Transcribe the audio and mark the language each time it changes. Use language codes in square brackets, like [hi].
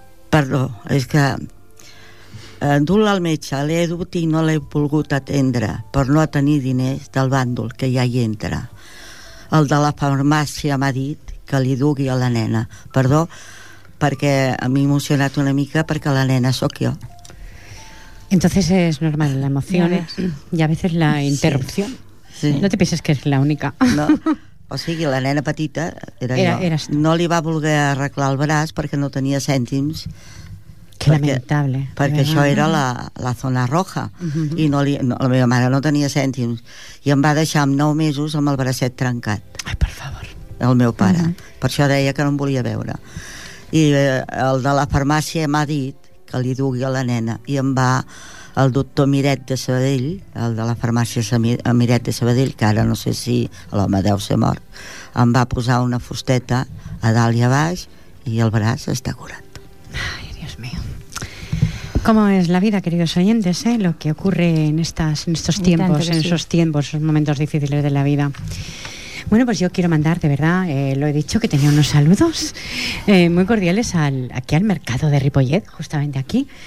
[ca] Perdó, és que... Dut-la al metge, l'he dut i no l'he volgut atendre per no tenir diners del bàndol que ja hi entra. El de la farmàcia m'ha dit que li dugui a la nena. Perdó, perquè m'he emocionat una mica perquè la nena sóc jo. [es] Entonces es normal la emoción y a veces la interrupción. Sí. [ca] No te penses que és l'única. No. O sigui, la nena petita era jo. [es] Eres... [ca] No li va voler arreglar el braç perquè no tenia cèntims. [es] Que lamentable. [ca] Perquè això era la zona roja. Uh-huh. I la meva mare no tenia cèntims. I em va deixar amb 9 mesos amb el bracet trencat. Ai, per favor. El meu pare. Uh-huh. Per això deia que no em volia veure. I el de la farmàcia m'ha dit que li dugui a la nena. I em va... El doctor Miret de Sabadell, el de la farmàcia Miret de Sabadell, que ara no sé si l'home deu ser mort, em va posar una fusteta a dalt i a baix i el braç està curat. [es] Ai, Dios mío. ¿Cómo es la vida, queridos oyentes, eh? Lo que ocurre en estos tiempos, en esos tiempos, esos momentos difíciles de la vida. Bueno, pues yo quiero mandar, de verdad, lo he dicho, que tenía unos saludos muy cordiales aquí al mercado de Ripollet, justamente aquí.